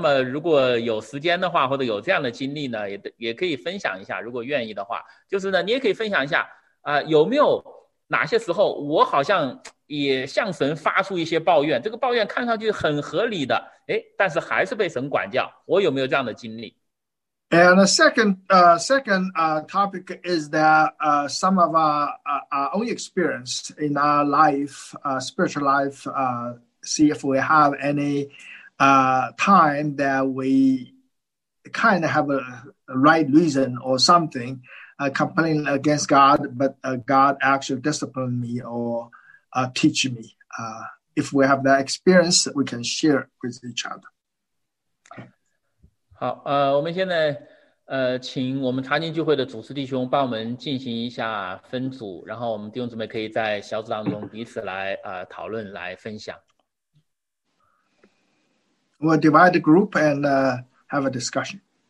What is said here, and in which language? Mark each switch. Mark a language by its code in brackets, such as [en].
[zh] 那么如果有时间的话，或者有这样的经历呢，也可以分享一下，如果愿意的话。就是呢，你也可以分享一下有没有哪些时候我好像也向神发出一些抱怨，这个抱怨看上去很合理的，但是还是被神管教，我有没有这样的经历？ [en] And the second topic is that some of our own experience in our life, spiritual life, see if we have any time that we kind of have a right reason or something, complain against God, but God actually disciplined me or teach me. If we have that experience, we can share with each other. [zh] 好，我们现在请我们查经聚会的主持弟兄帮我们进行一下分组，然后我们弟兄姊妹可以在小组当中彼此来讨论来分享。 [en] We'll divide the group and have a discussion.